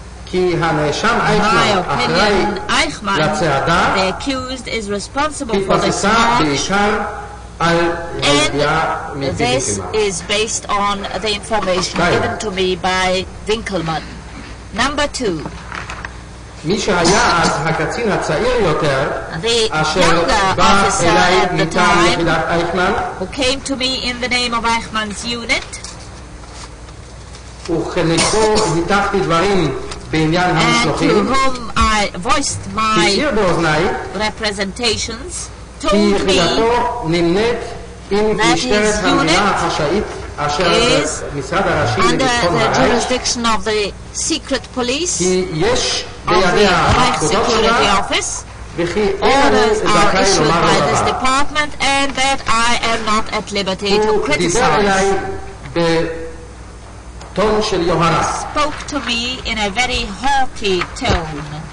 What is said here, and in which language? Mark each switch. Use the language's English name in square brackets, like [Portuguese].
[English] My opinion, Eichmann, the accused, is responsible for this march, and this is based on the information given to me by Winkelmann. Number two. [Hebrew] מי שהיה אז הקצין הצעיר יותר, אשר בא אליי מטעם יחידת אייכמן, [English] who came to me in the name of Eichmann's unit, [Hebrew] וכנגדו ניתחתי דברים בעניין המשלוחים, [English] and to whom I voiced my representations, told me [Hebrew] כי יחידתו נמנית עם משטרת המדינה החשאית, אשר משרד הראשי לביטחון הרייך, [English] under the jurisdiction of the secret police, [Hebrew] כי יש [English] of the Reich Security Office, orders are issued by this department, and that I am not at liberty to criticize. He spoke to me in a very haughty tone.